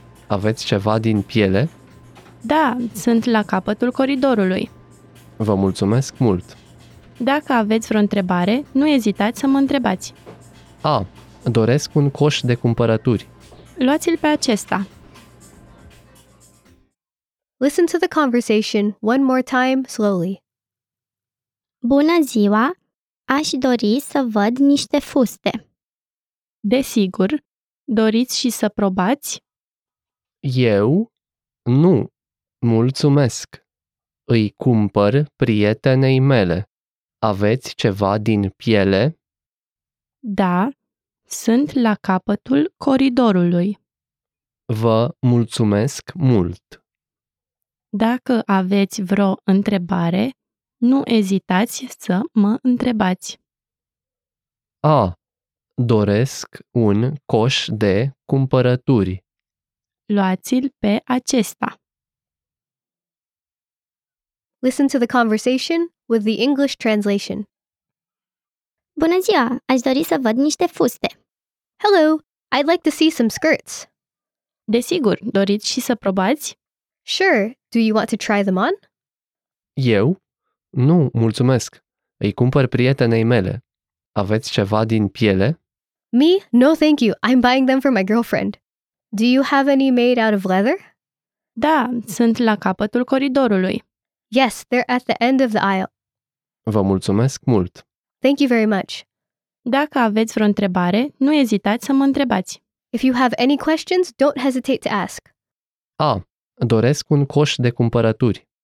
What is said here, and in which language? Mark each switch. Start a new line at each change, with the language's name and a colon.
Romanian: Aveți ceva din piele? Da, sunt la capătul coridorului. Vă mulțumesc mult. Dacă aveți vreo întrebare, nu ezitați să mă întrebați. A, doresc un coș de cumpărături. Luați-l pe acesta.
English: Listen to the conversation one more time slowly.
Romanian: Bună ziua! Aș dori să văd niște fuste. Desigur, doriți și să probați? Eu? Nu, mulțumesc. Îi cumpăr prietenei mele. Aveți ceva din piele? Da, sunt la capătul coridorului. Vă mulțumesc mult. Dacă aveți vreo întrebare, nu ezitați să mă întrebați. A, doresc un coș de cumpărături. Luați-l pe acesta.
English: Listen to the conversation with the English translation.
Romanian: Bună ziua, aș dori să văd niște fuste.
English: Hello, I'd like to see some skirts.
Romanian: Desigur, doriți și să probați?
English: Sure, do you want to try them on?
Romanian: Eu? Nu, mulțumesc. Îi cumpăr prietenei mele. Aveți ceva din piele?
English: Me? No, thank you. I'm buying them for my girlfriend. Do you have any made out of leather?
Romanian: Da, sunt la capătul coridorului.
English: Yes, they're at the end of the aisle.
Romanian: Vă mulțumesc mult.
English: Thank you very much.
Romanian: Dacă aveți vreo întrebare, nu ezitați să mă întrebați.
English: If you have any questions, don't hesitate to ask.
Romanian: A, doresc un coș de cumpărături.